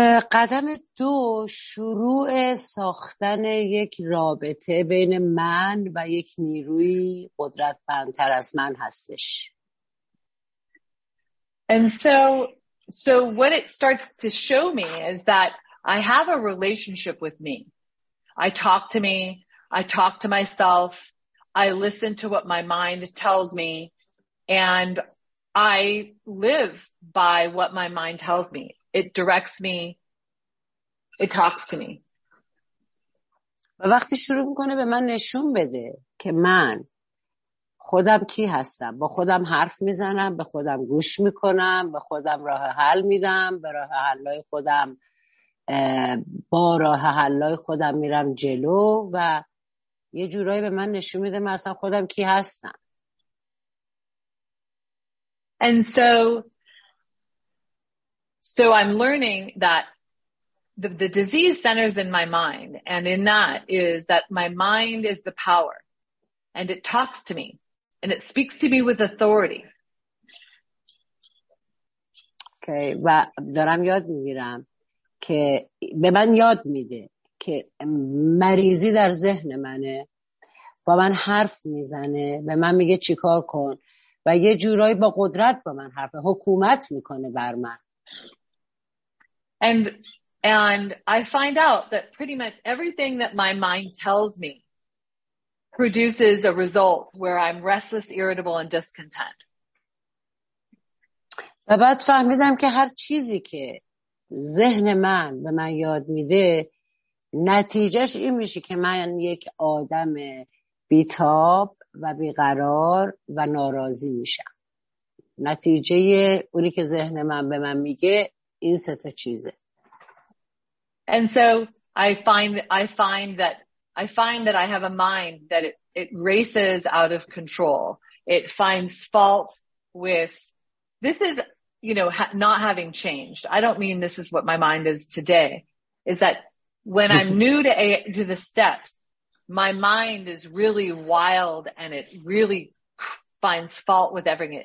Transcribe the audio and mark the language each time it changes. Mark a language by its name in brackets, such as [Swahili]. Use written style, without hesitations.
[Persian] قدم دو شروع ساختن یک رابطه بین من و یک نیروی قدرتمندتر از من هستش. [English] And so what it starts to show me is that I have a relationship with me. I talk to me, I talk to myself, I listen to what my mind tells me, and I live by what my mind tells me. It directs me. It talks to me. [Persian] و وقتی شروع میکنه به من نشون بده که من خودم کی هستم، با خودم حرف میزنم، به خودم گوش میکنم، به خودم راه حل میدم، به راه حلای خودم با راه حلای خودم میرم جلو و یه جورایی به من نشون میده من اصلا خودم کی هستم. [English] And so I'm learning that the disease centers in my mind. And in that is that my mind is the power and it talks to me and it speaks to me with authority. Okay. [Persian] و دارم یاد میگیرم که به من یاد میده که مریضی در ذهن منه، با من حرف میزنه، به من میگه چیکار کن و یه جورایی با قدرت با من حرفه، حکومت میکنه بر من. [English] And I find out that pretty much everything that my mind tells me produces a result where I'm restless, irritable and discontent. [Persian] و بعد فهمیدم که هر چیزی که ذهن من به من یاد میده نتیجهش این میشه که من یک آدم بیتاب و بیقرار و ناراضی میشم. نتیجه اونی که ذهن من به من میگه این سه تا چیزه. [English] And so I find that I have a mind that it races out of control. It finds fault with this is, you know, not having changed. I don't mean this is what my mind is today. Is that when I'm new to the steps, my mind is really wild and it really finds fault with everything.